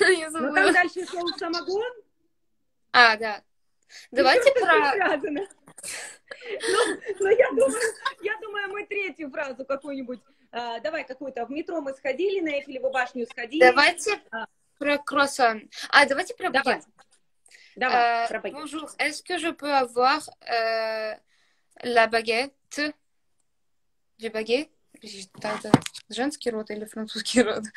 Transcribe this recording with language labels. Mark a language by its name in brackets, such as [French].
[Russian] Ну, там дальше шел самогон. А, да. Давайте про... Ну, я думаю, мы третью фразу какую-нибудь... давай какую-то. В метро мы сходили, на Эйфелеву башню сходили. Давайте про круассан. А, давайте про багет. Давай, про багет. [French] Bonjour, est-ce que je peux avoir la baguette du baguette? [Russian] Это женский род или французский род?